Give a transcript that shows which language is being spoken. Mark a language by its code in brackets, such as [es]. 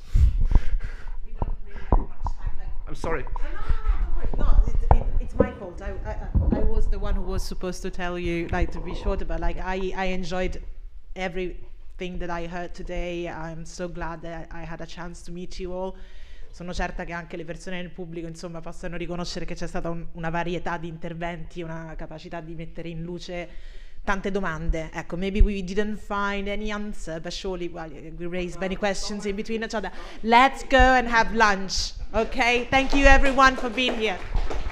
[en] We don't really have much time. I'm sorry. No, it's my fault. I was the one who was supposed to tell you, like, to be short, but like I enjoyed everything that I heard today. I'm so glad that I had a chance to meet you all. [it] Sono certa che anche le persone nel pubblico, insomma, possano riconoscere che c'è stata una varietà di interventi, una capacità di mettere in luce tante domande. [en] Ecco, maybe we didn't find any answer, but surely we raised many questions in between each other. Let's go and have lunch, okay? Thank you everyone for being here.